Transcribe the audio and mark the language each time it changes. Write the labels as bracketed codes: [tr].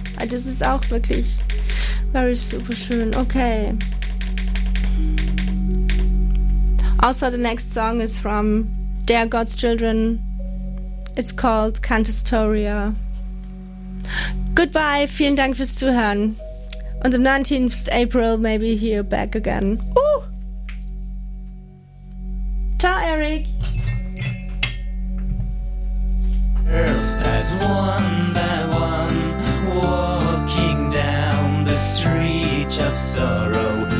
[de] Das ist auch wirklich [en] very super [de] schön. [en] Okay. Also, the next song is from Dear God's Children. It's called Cantastoria. Goodbye, [de] vielen Dank fürs Zuhören. [en] On the 19th April, maybe here back again. Ooh. Ciao, Eric. Girls pass one by one, walking down the street of sorrow.